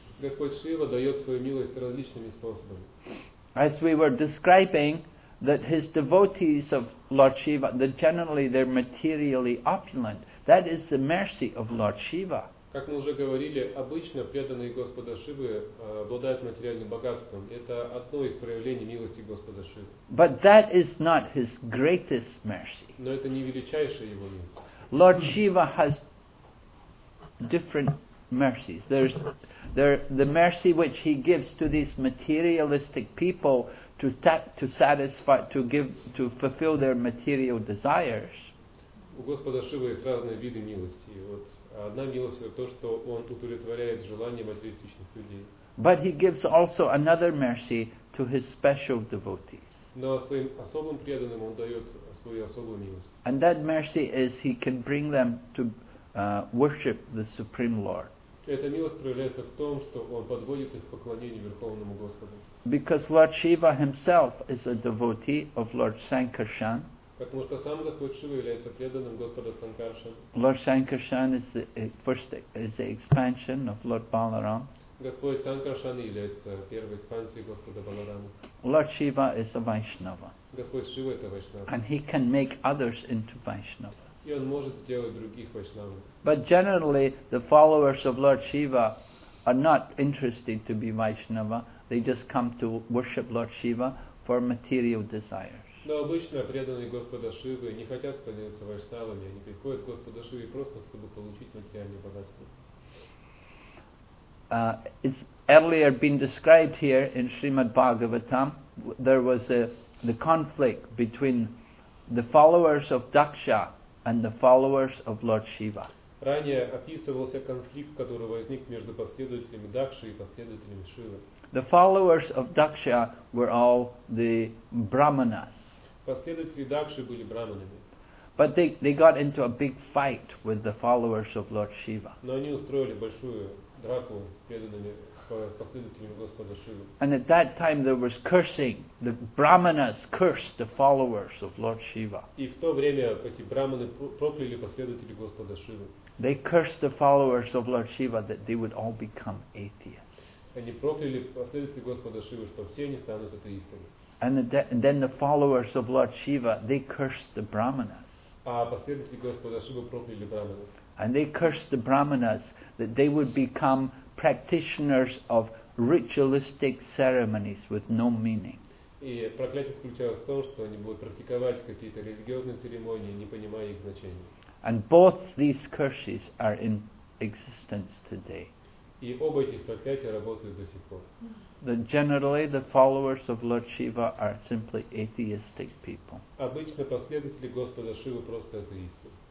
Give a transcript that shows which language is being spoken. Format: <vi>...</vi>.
<ru>Господь Шива дает свою милость различными способами.</ru> <en>As we were describing, that his devotees of Lord Shiva, that generally they're materially opulent. That is the mercy of Lord Shiva.</en> <ru>Как мы уже говорили, обычно преданные Господа Шивы обладают материальным богатством. Это одно из проявлений милости Господа Шивы.</ru> <en>But that is not his greatest mercy.</en> <ru>Но это не величайшая его милость.</ru> <en>Lord Shiva has different mercies. There's the mercy which he gives to these materialistic people to fulfill their material desires.</en> <ru>У Господа Шивы есть разные виды милости. Вот одна милость — это то, что он удовлетворяет желания материалистичных людей.</ru> <en>But he gives also another mercy to his special devotees.</en> <ru>Но своим особым преданным он дает свою особую милость.</ru> <en>And that mercy is he can bring them to worship the Supreme Lord.</en> <ru>Эта милость проявляется в том, что он подводит их к поклонению Верховному Господу.</ru> <en>Because Lord Shiva himself is a devotee of Lord Sankarshan.</en> <ru>Потому что сам Господь Шива является преданным Господа Санкаршан.</ru> <en>Lord Sankarshan is the expansion of Lord Balaram.</en> <ru>Господь Санкаршан является первой экспансией Господа Баларама.</ru> <en>Lord Shiva is a Vaishnava.</en> <ru>Господь Шива — это Вайшнава.</ru> <en>And he can make others into Vaishnava.</en> <ru>И он может сделать других Вайшнавами.</ru> <en>But generally, the followers of Lord Shiva are not interested to be Vaishnava. They just come to worship Lord Shiva for material desires.</en> <ru>Но обычно преданные Господа Шивы не хотят становиться Вайшнавами. Они приходят к Господу Шиве просто, чтобы получить материальное богатство.</ru> <en>It's earlier been described here in Srimad Bhagavatam. There was the conflict between the followers of Daksha and the followers of Lord Shiva.</en> <ru>Ранее описывался конфликт, который возник между последователями Дакши и последователями Шивы.</ru> <en>The followers of Daksha were all the brahmanas.</en> <ru>Последователи Дакши были браманами.</ru> <en>But they got into a big fight with the followers of Lord Shiva.</en> <ru>Но они устроили большую драку с преданными, с последователями Господа Шивы.</ru> <en>And at that time there was cursing. The brahmanas cursed the followers of Lord Shiva.</en> <ru>И в то время эти браманы прокляли последователей Господа Шивы.</ru> <en>They cursed the followers of Lord Shiva that they would all become atheists.</en> <ru>Они прокляли последователей Господа Шивы, что все они станут атеистами.</ru> <en>And then the followers of Lord Shiva, they cursed the brahmanas.</en> <ru>А последователи Господа Шивы прокляли браманов.</ru> <en>And they cursed the brahmanas that they would become practitioners of ritualistic ceremonies with no meaning.</en> <ru>И проклятие заключалось в том, что они будут практиковать какие-то религиозные церемонии, не понимая их значения.</ru> <en>And both these curses are in existence today.</en> <ru>И оба этих проклятия работают до сих пор.</ru> <en>That generally the followers of Lord Shiva are simply atheistic people.</en> <ru>Обычно последователи Господа Шивы просто атеисты.</ru>